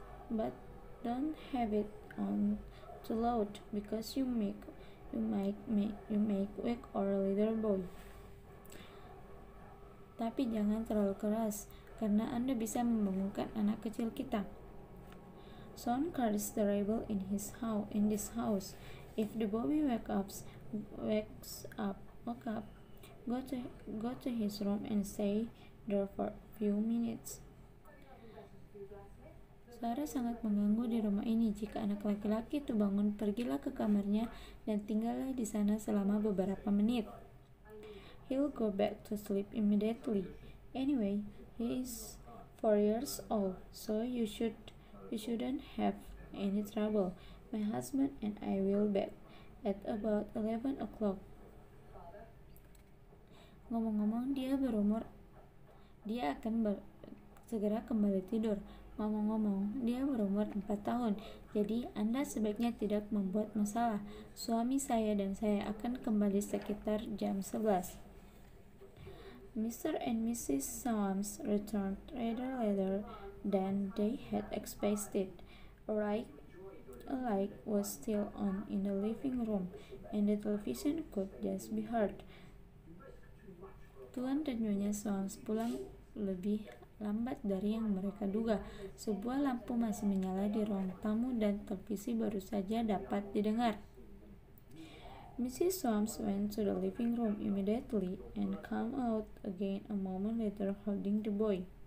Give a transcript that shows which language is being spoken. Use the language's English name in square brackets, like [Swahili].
[English] But don't have it on too loud, because you might wake our little boy." [Indonesian] "Tapi jangan terlalu keras, karena Anda bisa membangunkan anak kecil kita." [English] "Son carries the rebel in this house. If the boy wakes up, go to his room and stay there for a few minutes." [Indonesian] "Suara sangat mengganggu di rumah ini. Jika anak laki-laki itu bangun, pergilah ke kamarnya dan tinggallah di sana selama beberapa menit." [English] "He'll go back to sleep immediately. Anyway, he is 4 years old, so you shouldn't have any trouble. My husband and I will back at about 11 o'clock. [Indonesian] "Ngomong-ngomong, dia akan segera kembali tidur. Ngomong-ngomong, dia berumur 4 tahun, jadi Anda sebaiknya tidak membuat masalah. Suami saya dan saya akan kembali sekitar jam 11. [English] Mr. and Mrs. Soames returned rather later than they had expected. A light was still on in the living room, and the television could just be heard. [Indonesian] Tuan dan Nyonya Soames pulang lebih lambat dari yang mereka duga. Sebuah lampu masih menyala di ruang tamu dan televisi baru saja dapat didengar. [English] Mrs. Soames went to the living room immediately and came out again a moment later holding the boy.